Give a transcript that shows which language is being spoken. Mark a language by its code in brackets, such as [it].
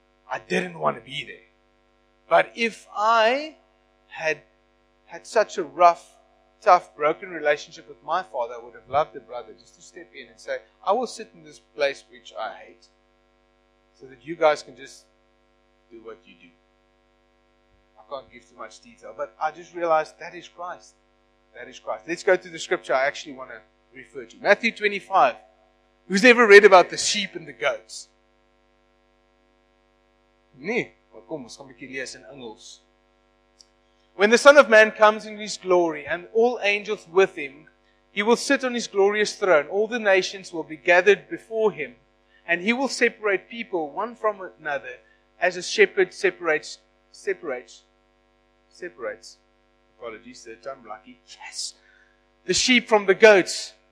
[en] I didn't want to be there. But if I had such a rough, tough, broken relationship with my father, I would have loved a brother just to step in and say, "I will sit in this place which I hate so that you guys can just do what you do." I can't give too much detail, but I just realized that is Christ. That is Christ. Let's go to the Scripture I actually want to refer to. Matthew 25. Who's ever read about the sheep and the goats? [af] Nee. Kom, ons gaan 'n bietjie lees in Engels. [en] "When the Son of Man comes in His glory and all angels with Him, He will sit on His glorious throne. All the nations will be gathered before Him, and He will separate people one from another, as a shepherd the sheep from the goats.